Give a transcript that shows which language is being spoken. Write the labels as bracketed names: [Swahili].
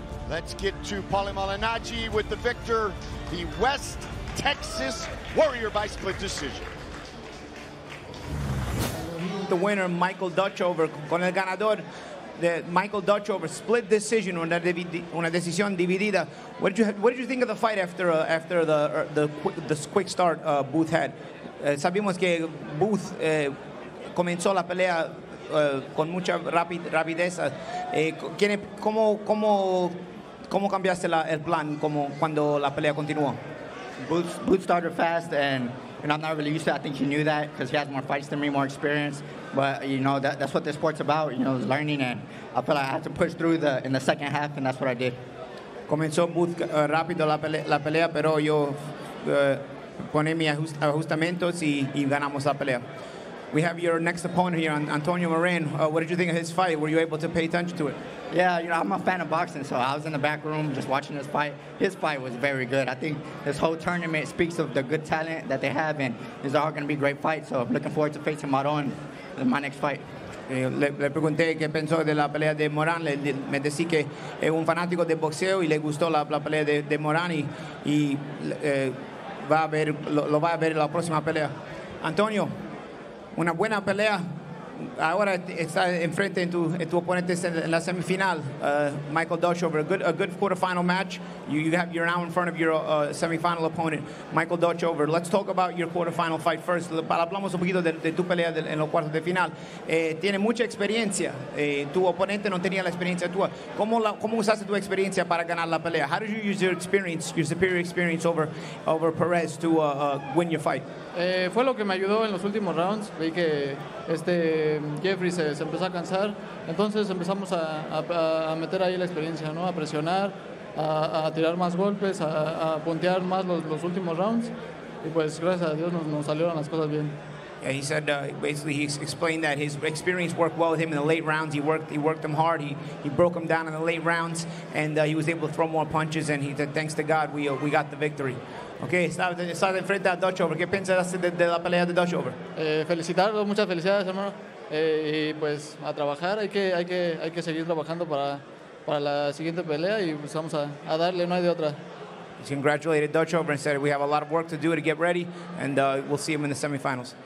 [English] Let's get to Paulie Malignaggi with the victor, the West Texas Warrior by split decision. The winner, Michael Dutchover, [Spanish] con el ganador, [English] Michael Dutchover split decision, [Spanish] una decisión dividida. [English] What did you think of the fight after the quick start Booth had? [Spanish] Sabemos que Booth comenzó la pelea con mucha rapidez. ¿Cómo cambiaste el plan cuando la pelea continuó? [English] Booth started fast, and I'm not really used to it. I think he knew that because he has more fights than me, more experience. But, you know, that's what this sport's about, you know, is learning. And I feel like I had to push through in the second half, and that's what I did. [Spanish] Comenzó Booth rápido la pelea, pero yo poné mi ajustamientos y ganamos la pelea. [English] We have your next opponent here, Antonio Marin. What did you think of his fight? Were you able to pay attention to it? Yeah, you know, I'm a fan of boxing, so I was in the back room just watching his fight. His fight was very good. I think this whole tournament speaks of the good talent that they have, and these are all going to be great fights, so I'm looking forward to facing Marin in my next fight. [Spanish] Le pregunté qué pensó de la pelea de Moran. Me decí que es un fanático de boxeo y le gustó la pelea de Moran y va a ver la próxima pelea. Antonio, una buena pelea. Ahora está enfrente en tu oponente en la semifinal, Michael Dutchover. [English] A good quarterfinal match. You're now in front of your semifinal opponent, Michael Dutchover. Let's talk about your quarterfinal fight first. [Spanish] Hablamos un poquito de tu pelea en los cuartos de final. Tiene mucha experiencia. Tu oponente no tenía la experiencia tuya. ¿Cómo usaste tu experiencia para ganar la pelea? [English] How did you use your experience, your superior experience over Perez to win your fight? [Spanish] Fue lo que me ayudó en los últimos rounds. Vi que Jeffrey se empezó a cansar, entonces empezamos a meter ahí la experiencia, ¿no? A presionar, a tirar más golpes, a puntear más los últimos rounds, y pues gracias a Dios nos salieron las cosas bien. [English] Yeah, he said basically he explained that his experience worked well with him in the late rounds. He worked them hard. He broke them down in the late rounds, and he was able to throw more punches. And he said, thanks to God, we got the victory. [Spanish] Okay, está de frente a Dutchover. ¿Qué piensas de la pelea de Dutchover? Felicitarlo, muchas felicidades, hermano. Y pues a trabajar. Hay que seguir trabajando para la siguiente pelea. Y pues vamos a darle. No hay de otra. [English] He congratulated Dutchover and said we have a lot of work to do to get ready, and we'll see him in the semifinals.